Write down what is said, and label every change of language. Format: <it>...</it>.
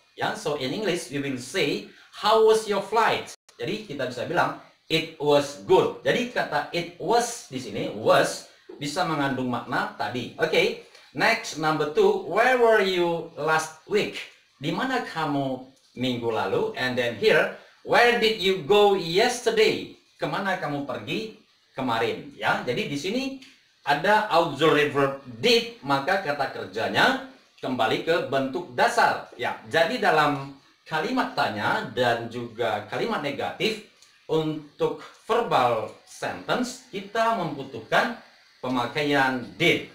<en>Ya, so in English we will say, how was your flight?</en> <id>Jadi kita bisa bilang,</id> <en>it was good.</en> <id>Jadi kata it was di sini, was, bisa mengandung makna tadi.</id> <en>Oke, next number 2, where were you last week?</en> <id>Di mana kamu minggu lalu?</id> <en>And then here, where did you go yesterday?</en> <id>Kemana kamu pergi kemarin? Ya, jadi di sini ada auxiliary verb did, maka kata kerjanya kembali ke bentuk dasar. Ya, jadi dalam kalimat tanya dan juga kalimat negatif, untuk verbal sentence kita membutuhkan pemakaian did.</id>